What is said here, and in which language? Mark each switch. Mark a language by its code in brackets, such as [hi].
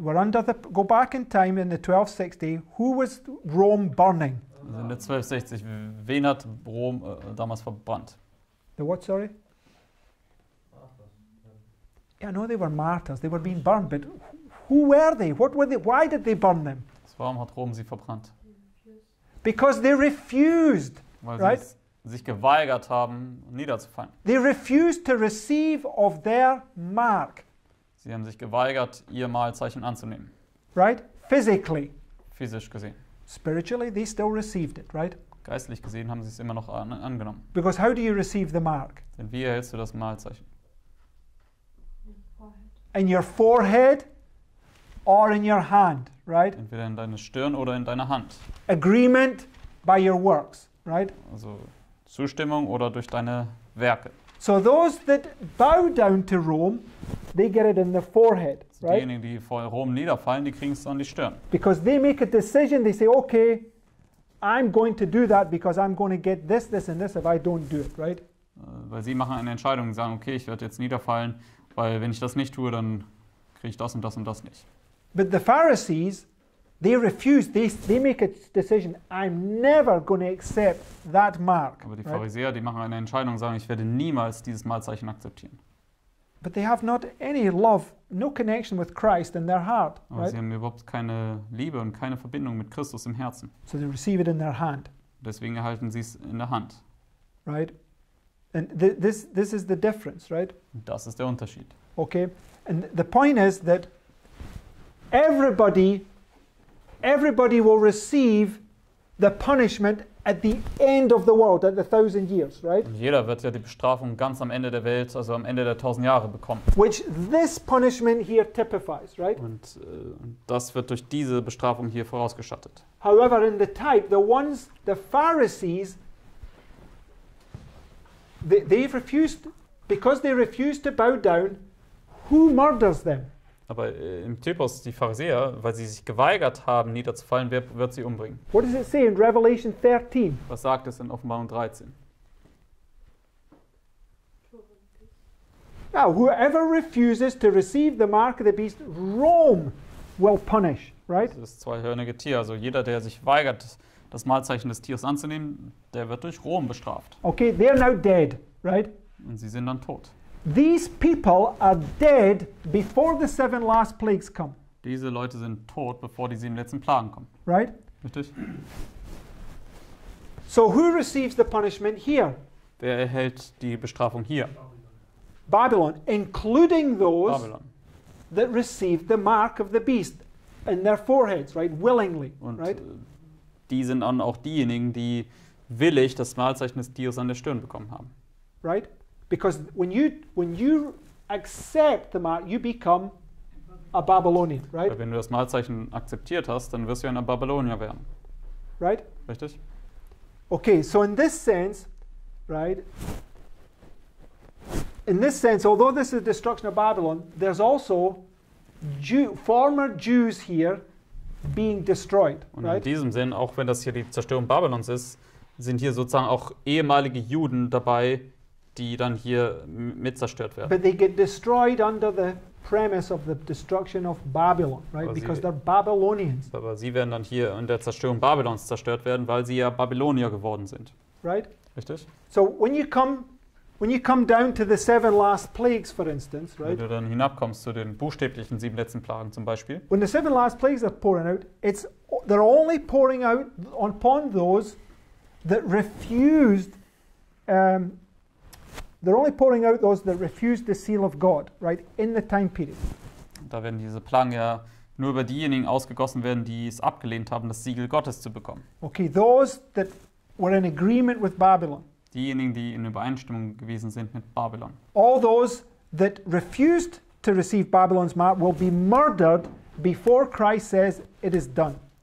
[en] We're under the go back in time in the 1260. Who was Rome burning? [de] Also in der 1260, wen hat Rom damals verbrannt? [en] The what? Sorry. Yeah, no, they were martyrs. They were being burned, but. Who were they? What were they? Why did they burn them? [de] Warum hat Rom sie verbrannt? [en] Because they refused, [de] weil [en] right? [de] sie sich geweigert haben, niederzufallen. [en] They refused to receive of their mark. [de] Sie haben sich geweigert, ihr Malzeichen anzunehmen. [en] Right? Physically. [de] Physisch gesehen. [en] Spiritually, they still received it, right? [de] Geistlich gesehen haben sie es immer noch angenommen. [en] Because how do you receive the mark? [de] Denn wie erhältst du das Malzeichen? [en] In your forehead? or in your hand, right? [de] Entweder in deine Stirn oder in deiner Hand. [en] Agreement by your works, right? [de] Also Zustimmung oder durch deine Werke. [en] So those that bow down to Rome, they get it in the forehead, right? [de] Diejenigen, die vor Rom niederfallen, die kriegen es an die Stirn. [en] Because they make a decision, they say, okay, I'm going to do that because I'm going to get this, this and this if I don't do it, right? [de] Weil sie machen eine Entscheidung und sagen, okay, ich werde jetzt niederfallen, weil wenn ich das nicht tue, dann kriege ich das und das und das nicht. [en] But the Pharisees, they refuse, they make a decision, I'm never going to accept that mark. [de] Aber die Pharisäer, die machen eine Entscheidung und sagen, ich werde niemals dieses Malzeichen akzeptieren. [en] But they have not any love, no connection with Christ in their heart. [de] Aber sie haben überhaupt keine Liebe und keine Verbindung mit Christus im Herzen. [en] So they receive it in their hand. [de] Deswegen erhalten sie es in der Hand. [en] Right? And this is the difference, right? [de] Das ist der Unterschied. [en] Okay. And the point is that everybody will receive the punishment at the end of the world, at the 1,000 years, right? [de] Und jeder wird ja die Bestrafung ganz am Ende der Welt, also am Ende der 1,000 Jahre bekommen. [en] Which this punishment here typifies, right? [de] Und das wird durch diese Bestrafung hier vorausgestattet. [en] However, in the type, the ones, the Pharisees, they've refused, because they refused to bow down, who murders them? [de] Aber im Typus, die Pharisäer, weil sie sich geweigert haben, niederzufallen, wer wird sie umbringen? [en] What does it say in Revelation 13? [de] Was sagt es in Offenbarung 13? [en] Now, whoever refuses to receive the mark of the beast, Rome will punish, right? [de] Das ist das zweihörnige Tier, also jeder, der sich weigert, das Malzeichen des Tieres anzunehmen, der wird durch Rom bestraft. [en] Okay, they are now dead, right? [de] Und sie sind dann tot. [en] These people are dead before the 7 last plagues come. [de] Diese Leute sind tot, bevor die 7 letzten Plagen kommen. [en] Right? [de] Richtig. [en] So who receives the punishment here? [de] Wer erhält die Bestrafung hier? [en] Babylon, including those Babylon that received the mark of the beast in their foreheads, right? Willingly, [de] und [en] right? [de] Die sind dann auch diejenigen, die willig das Malzeichen des Tieres an der Stirn bekommen haben. [en] Right? Because when you accept the mark, you become a Babylonian, right? [de] Wenn du das Malzeichen akzeptiert hast, dann wirst du ein Babylonier werden. [en] Right? [de] Richtig? [en] Okay, so in this sense, right? In this sense, although this is the destruction of Babylon, there's also former Jews here being destroyed, [de] und [en] right? [de] In diesem Sinn, auch wenn das hier die Zerstörung Babylons ist, sind hier sozusagen auch ehemalige Juden dabei, die dann hier mit zerstört werden. [en] But they get destroyed under the premise of the destruction of Babylon, right? Because they're Babylonians. [de] Aber sie werden dann hier in der Zerstörung Babylons zerstört werden, weil sie ja Babylonier geworden sind. [en] Right? [de] Richtig? [en] So when you come down to the 7 last plagues, for instance, right? [de] Wenn du dann hinabkommst zu den buchstäblichen 7 letzten Plagen zum Beispiel. [en] When the 7 last plagues are pouring out, they're only pouring out upon those that refused. They're only pouring out those that refused the seal of God, right, in the time period. [de] Da werden diese Plagen ja nur über diejenigen ausgegossen werden, die es abgelehnt haben, das Siegel Gottes zu bekommen. [en] Okay, those that were in agreement with Babylon. [de] Diejenigen, die in Übereinstimmung gewesen sind mit Babylon. [en] All those that refused to receive Babylon's mark will be murdered before Christ says it is done.